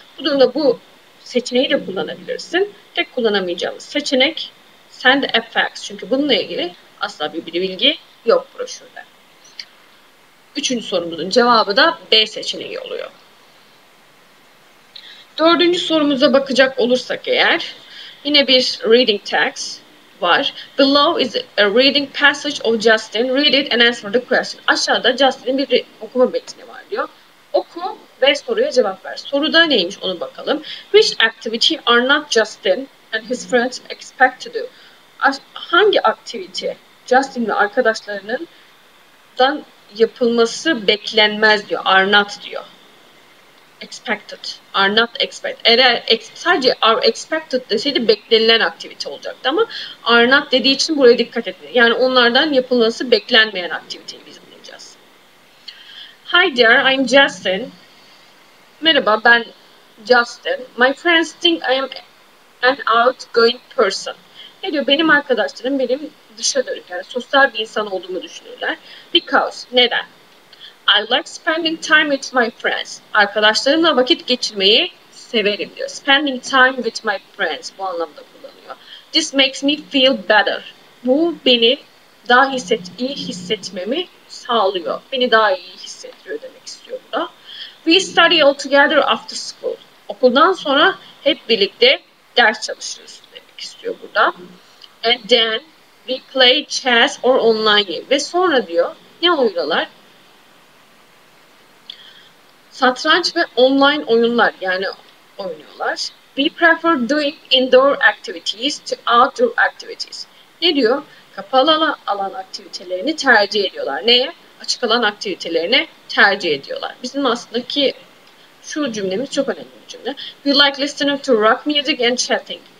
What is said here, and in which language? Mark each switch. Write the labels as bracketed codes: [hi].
[tr] Bu durumda bu seçeneği de kullanabilirsin. Tek kullanamayacağımız seçenek send FAQs. Çünkü bununla ilgili asla bir bilgi yok broşürde. Üçüncü sorumuzun cevabı da B seçeneği oluyor. Dördüncü sorumuza bakacak olursak eğer yine bir reading text var. [en] The law is a reading passage of Justin. Read it and answer the question. [tr] Aşağıda Justin'in bir okuma metni var diyor. Oku ve soruya cevap ver. Soruda neymiş onu bakalım. [en] Which activity are not Justin and his friends expect to do? [tr] Hangi aktivite Justin ve arkadaşlarının yapılması beklenmez diyor. [en] Are not diyor. Expected. Are not expected. [tr] Sadece are expected deseydi beklenilen aktivite olacaktı ama are not dediği için buraya dikkat etmiyor. Yani onlardan yapılması beklenmeyen aktiviteyi biz bulacağız. [en] Hi there, I'm Justin. [tr] Merhaba, ben Justin. [en] My friends think I am an outgoing person. [tr] Ne diyor? Benim arkadaşlarım benim dışa dönük, yani sosyal bir insan olduğumu düşünürler. [en] Because, [tr] neden? [en] I like spending time with my friends. [tr] Arkadaşlarımla vakit geçirmeyi severim diyor. [en] Spending time with my friends [tr] bu anlamda kullanıyor. [en] This makes me feel better. [tr] Bu beni daha iyi hissetmemi sağlıyor. Beni daha iyi hissettiriyor demek istiyor bu da. [en] We study all together after school. [tr] Okuldan sonra hep birlikte ders çalışırız demek istiyor burada. [en] And then we play chess or online game. [tr] Ve sonra diyor ne oynarlar? Satranç ve online oyunlar yani oynuyorlar. [en] We prefer doing indoor activities to outdoor activities. [tr] Ne diyor? Kapalı alan aktivitelerini tercih ediyorlar. Neye? Açık alan aktivitelerini tercih ediyorlar. Bizim aslında ki şu cümlemiz çok önemli bir cümle. [en] We like listening to rock music and chatting.